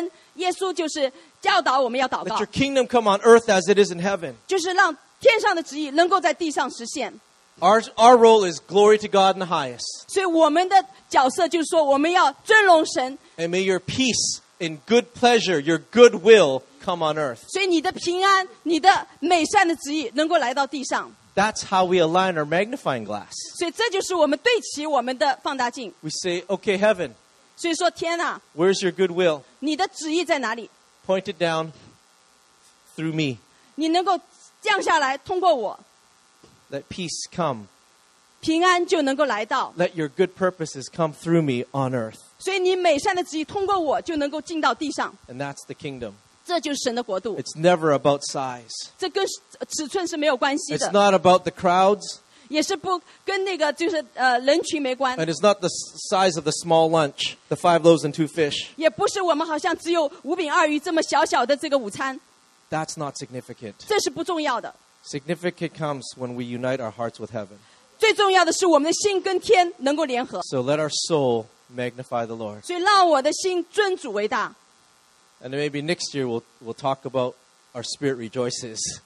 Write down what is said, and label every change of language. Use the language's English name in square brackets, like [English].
[Chinese] 所以神耶稣就是教导我们要祷告。 [English] Let your kingdom come on earth as it is in heaven. [Chinese] 就是让天上的旨意能够在地上实现。 [English] Our role is glory to God in the highest. [Chinese] 所以我们的角色就是说我们要尊荣神。 [English] And may your peace and good pleasure, your good will come on earth. [Chinese] 所以你的平安, 你的美善的旨意能够来到地上。 [English] That's how we align our magnifying glass. [Chinese] 所以这就是我们对齐我们的放大镜。 [English] We say, okay, heaven. [Chinese] 所以说天啊, [English] where's your good will? [Chinese] 你的旨意在哪里? [English] Point it down through me. [Chinese] 你能够降下来, 通过我。 [English] Let peace come. [Chinese] 平安就能够来到。 [English] Let your good purposes come through me on earth. [Chinese] 所以你美善的旨意通过我就能够进到地上。 [English] And that's the kingdom. [Chinese] 这就是神的国度。 [English] It's never about size. [Chinese] 这跟尺寸是没有关系的。 [English] It's not about the crowds. [Chinese] 也是不跟那个就是人群没关。 [English] And it's not the size of the small lunch, the 5 loaves and 2 fish. [Chinese] 也不是我们好像只有5饼2鱼这么小小的这个午餐。 [English] That's not significant. [Chinese] 这是不重要的。 [English] Significant comes when we unite our hearts with heaven. [Chinese] 最重要的是我们的心跟天能够联合。 [English] So let our soul magnify the Lord. [Chinese] 所以让我的心尊主为大。 [English] And maybe next year we'll talk about our spirit rejoices.